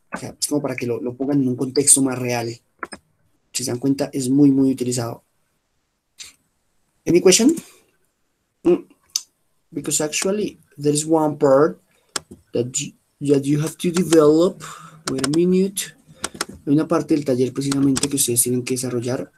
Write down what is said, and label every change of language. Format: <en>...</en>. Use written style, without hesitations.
<es>O sea, es como para que lo pongan en un contexto más real. Si se dan cuenta, es muy, muy utilizado.</es> <en>¿Any question? Because actually, there is one part that you have to develop. Wait a minute.</en> <es>Hay una parte del taller precisamente que ustedes tienen que desarrollar.</es>